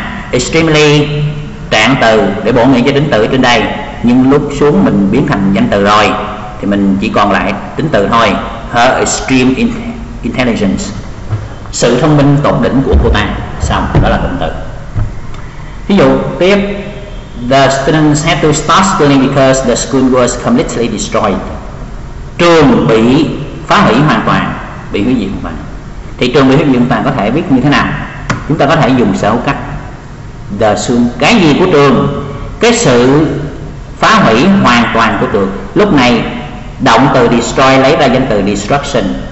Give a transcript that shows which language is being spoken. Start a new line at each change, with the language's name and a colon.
Vietnamese: Extremely trạng từ để bổ nghĩa cho tính từ trên đây, nhưng lúc xuống mình biến thành danh từ rồi thì mình chỉ còn lại tính từ thôi.
English: Her extreme intelligence,
Vietnamese: sự thông minh tột đỉnh của cô ta. Xong, đó là cụm từ. Ví dụ tiếp,
English: the students had to start schooling because the school was completely destroyed.
Vietnamese: Trường bị phá hủy hoàn toàn, bị hủy diệt hoàn toàn. Thì trường bị hủy diệt hoàn toàn có thể viết như thế nào? Chúng ta có thể dùng sở hữu cách. The school, cái gì của trường? Cái sự phá hủy hoàn toàn của trường. Lúc này động từ destroy lấy ra danh từ destruction.